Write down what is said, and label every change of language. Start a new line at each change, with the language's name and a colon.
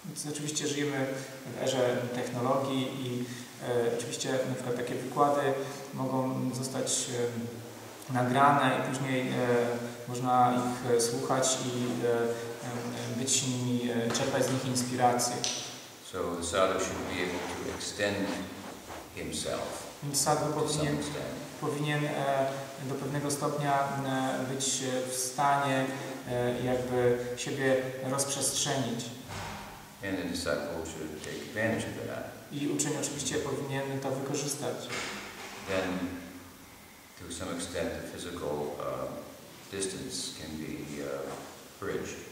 Polish: Oczywiście żyjemy w erze technologii i oczywiście na przykład takie wykłady mogą zostać nagrane i później można ich słuchać i być z nimi, czerpać z nich inspiracje.
English: So the sadhu should be able to extend himself.
Polish: Sadhu powinien do pewnego stopnia być w stanie jakby siebie rozprzestrzenić.
English: And the disciple should take advantage of that.
Polish: I uczeń oczywiście powinien to wykorzystać.
English: Then, to some extent, the physical distance can be bridged.